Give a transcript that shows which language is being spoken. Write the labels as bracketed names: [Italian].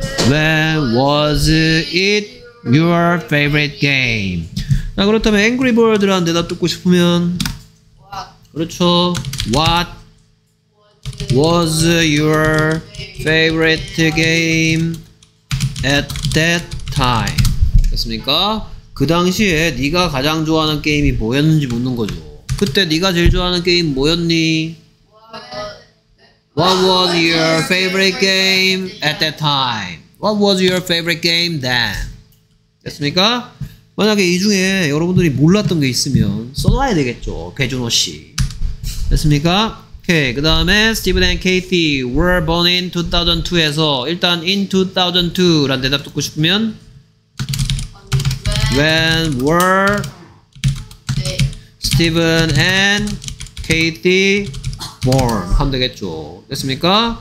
[English] When was it your favorite game? [Korean] 자, 그렇다면 Angry Bird라는 대답 듣고 싶으면 그렇죠. [English] What was your favorite game at that time? [Korean] 됐습니까? 그 당시에 네가 가장 좋아하는 게임이 뭐였는지 묻는 거죠. 그때 네가 제일 좋아하는 게임 뭐였니? [English] What was your favorite game at that time? What was your favorite game then? [Korean] 됐습니까? 만약에 이 중에 여러분들이 몰랐던 게 있으면 써놔야 되겠죠. 개준호 씨. 됐습니까? 오케이. 그 다음에 [English] Steven and Kathy were born in 2002 [Korean] 에서 일단 in 2002라는 대답 듣고 싶으면 [English] When were Steven and Kathy born? [Korean] 하면 되겠죠. 됐습니까?